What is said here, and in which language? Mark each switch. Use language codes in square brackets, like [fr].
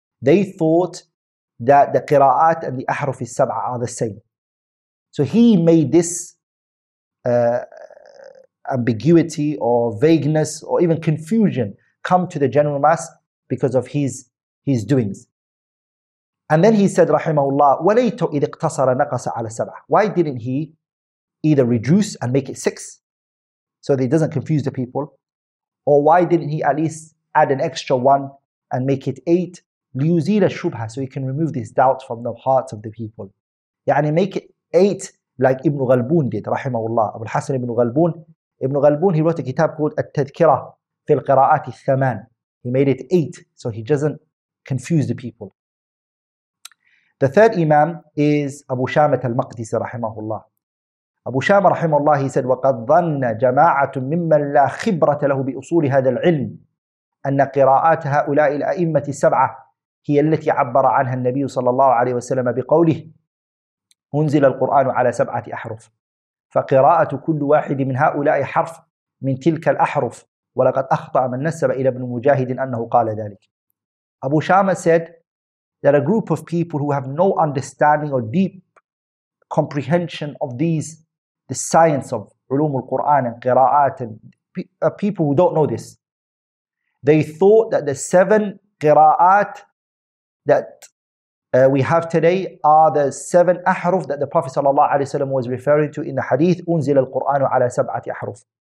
[en] They thought that the qira'at and the ahruf al-sab'a are the same. So he made this ambiguity or vagueness or even confusion come to the general mass because of his doings. And then he said, [ar] rahimahullah, وَلَيْتُ إِذْ اِقْتَصَرَ نَقَصَ عَلَى السَّبْعَ. [en] Why didn't he either reduce and make it six so that it doesn't confuse the people? Or why didn't he at least add an extra one and make it eight? [ar] لِيُزِيلَ الشُّبْهَ, [en] so he can remove this doubt from the hearts of the people. يعني make it eight like Ibn Ghalbun did, rahimahullah. Abu al-Hasan Ibn Ghalbun. Ibn Ghalbun, he wrote a kitab called At-Tadkira fi al-Qira'at al-Thaman. He made it eight so he doesn't confuse the people. The third imam is Abu Shamah al-Maqdisi rahimahullah. Abu Shamah rahimahullah, he said, [ar] وَقَدْ ظَنَّ جَمَاعَةٌ مِمَّنْ لَا خِبْرَةَ لَهُ بِأُصُولِ هَذَا الْعِلْمِ أَنَّ قِرَاءَاتَ هَؤُلَاءِ الْأَئِمَّةِ السَّبْعَةِ هِيَ الَّتِي عَبَّرَ عَنْهَا النَّبِيُّ صَلَّى اللَّهُ عَلَيْهِ وَسَلَّمَ بِقَوْلِهِ أُنْزِلَ الْقُرْآنُ عَلَى سَبْعَةِ أَحْرُفٍ فَقِرَاءَةُ كُلِّ وَاحِدٍ مِنْ هَؤُلَاءِ حَرْفٍ مِنْ تِلْكَ الْأَحْرُفِ وَلَقَدْ أَخْطَأَ مَنْ نَسَبَ إِلَى ابْنِ مُجَاهِدٍ أَنَّهُ قَالَ ذَلِكَ. [en] Abu Shamah said that a group of people who have no understanding or deep comprehension of these, the science of ulumul Quran and qira'at, and people who don't know this, they thought that the seven qira'at that we have today are the seven ahruf that the Prophet sallallahu alaihi wasallam was referring to in the hadith, [ar] unzil al Quran ala sab'ati ahruf.